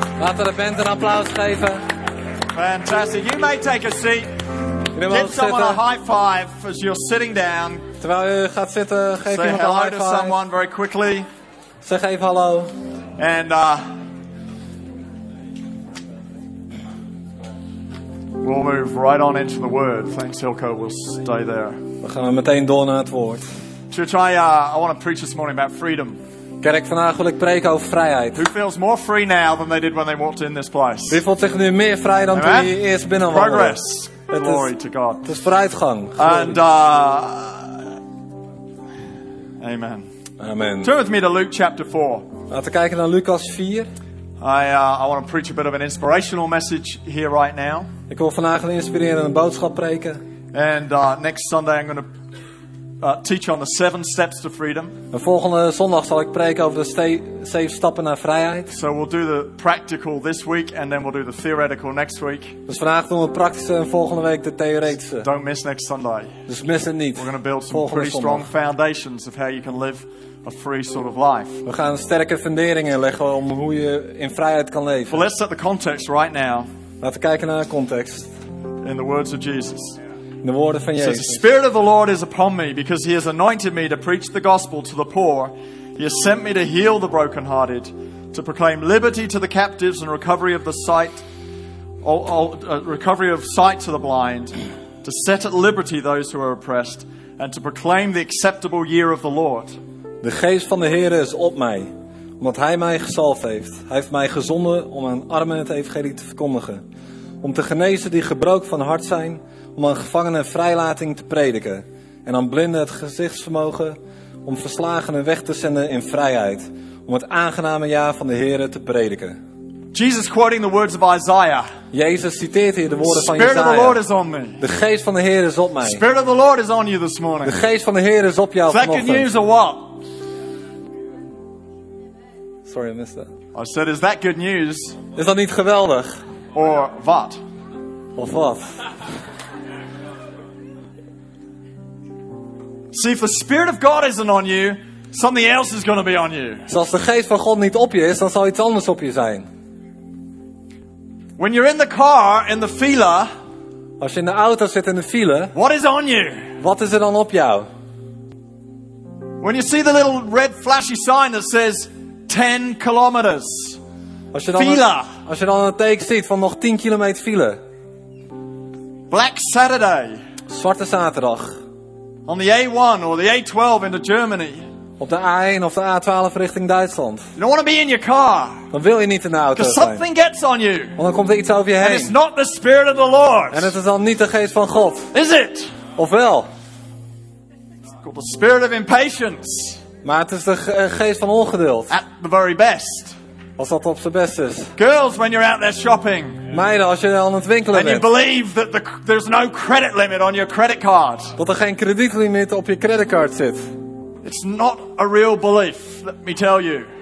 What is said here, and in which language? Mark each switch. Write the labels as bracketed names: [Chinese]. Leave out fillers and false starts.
[Dutch] Laten de band een applaus geven. [English] Fantastic. You may take a seat. Give someone a high five as you're sitting down. [Dutch] Terwijl u gaat zitten, geef iemand een high five. [English] Say hello to someone very quickly. [Dutch] Zeg even hallo. [English] And we'll move right on into the word. Thanks, Hilco. We'll stay there. [Dutch] We gaan meteen door naar het woord. [English] Church, I want to preach this morning about freedom. [Dutch] Kerk, vandaag wil ik preken over vrijheid. [English] Who feels more free now than they did when they walked in this place? [Dutch] Wie voelt zich nu meer vrij dan toen hij eerst binnenwandelde? [English] Progress. Glory to God. [Dutch] Het is vooruitgang. [English] And amen. [Dutch] Amen. [English] Turn with me to Luke chapter 4. [Dutch] Laten kijken naar Lucas 4. [English] I want to preach a bit of an inspirational message here right now. [Dutch] Ik wil vandaag een inspirerende boodschap preken. [English] And next Sunday I'm going to teach on the 7 steps to freedom. [Dutch] En volgende zondag zal ik preken over de 7 stappen naar vrijheid. [English] So we'll do the practical this week and then we'll do the theoretical next week. [Dutch] Dus vandaag doen we het praktische en volgende week de theoretische. [English] Don't miss next Sunday. [Dutch] Dus mis het niet. [English] We're going to build some pretty strong foundations of how you can live a free sort of life. [Dutch] We gaan sterke funderingen leggen om hoe je in vrijheid kan leven. [English] Well, let's set the context right now. [Dutch] Laten we kijken naar de context. [English] In the words of Jesus. [Dutch] In de woorden van Jezus. [English] He says, the Spirit of the Lord is upon me because he has anointed me to preach the gospel to the poor. He has sent me to heal the brokenhearted, to proclaim liberty to the captives and recovery of the sight, recovery of sight to the blind, to set at liberty those who are oppressed, and to proclaim the acceptable year of the Lord. [Dutch] De geest van de Heer is op mij, omdat hij mij gezalfd heeft. Hij heeft mij gezonden om aan armen het evangelie te verkondigen. Om te genezen die gebroken van hart zijn, om aan gevangenen vrijlating te prediken. En aan blinden het gezichtsvermogen, om verslagenen weg te zenden in vrijheid. Om het aangename jaar van de Heer te prediken. [English] Jesus quoting the words of Isaiah. [Dutch] Jezus citeert hier de woorden van [English] Isaiah. Spirit of the Lord is on me. [Dutch] De geest van de Heer is op mij. [English] Spirit of the Lord is on you this morning. [Dutch] De geest van de Heer is op jou vanochtend. [English] Is that good news or what? Sorry, I missed that. I said, is that good news? [Dutch] Is dat niet geweldig? [English] Or what? [Dutch] Of wat? [English] See, if the Spirit of God isn't on you, something else is going to be on you. [Dutch] Als de geest van God niet op je is, dan zal iets anders op je zijn. [English] When you're in the car in the fila, [Dutch] als je in de auto zit in de file, [English] what is on you? [Dutch] Wat is er dan op jou? [English] When you see the little red flashy sign that says 10 kilometers. [Dutch] Als je dan een teken ziet van nog 10 kilometer file. [English] Black Saturday. [Dutch] Zwarte zaterdag. [English] On the A1 or the A12 into Germany. [Dutch] Op de A1 of de A12 richting Duitsland. [English] You don't want to be in your car. [Dutch] Dan wil je niet in de auto zijn. [English] Because something gets on you. [Dutch] Want dan komt er iets over je heen. [English] And it's not the Spirit of the Lord. [Dutch] En het is dan niet de geest van God. [English] Is it? [Dutch] Ofwel. [English] It's called the Spirit of Impatience. [Dutch] Maar het is de geest van ongeduld. [English] At the very best. [Dutch] Als dat op zijn best is. [English] Girls, when you're out there shopping. [Dutch] Meiden, als je aan het winkelen bent. [English] And you believe that there's no credit limit on your credit card. [Dutch] Dat er geen kredietlimiet op je creditcard zit. [English] It's not a real belief, let me tell you.